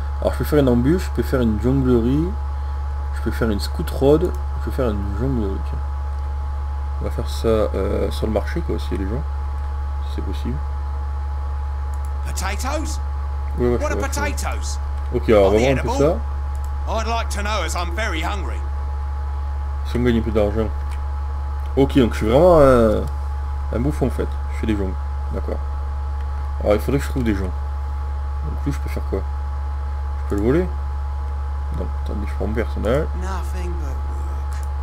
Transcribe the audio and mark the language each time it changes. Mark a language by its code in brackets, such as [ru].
[fr] Alors je peux faire une embûche, je peux faire une jonglerie, je peux faire une scout road, je peux faire une jonglerie, tiens. On va faire ça sur le marché, quoi, s'il y a des gens. Si c'est possible. [en] Potatoes? [fr] Ouais, ouais, [en] what are potatoes? [fr] Ok, alors on va voir un peu ça. [en] I'd like to know as I'm very hungry. [fr] Si on gagne un peu d'argent. Ok, donc je suis vraiment un bouffon en fait. Je fais des jongles. D'accord. Alors il faudrait que je trouve des gens. Donc lui je peux faire quoi? Je peux le voler? Non, attendez, je prends mon personnage. [en] Nothing but work.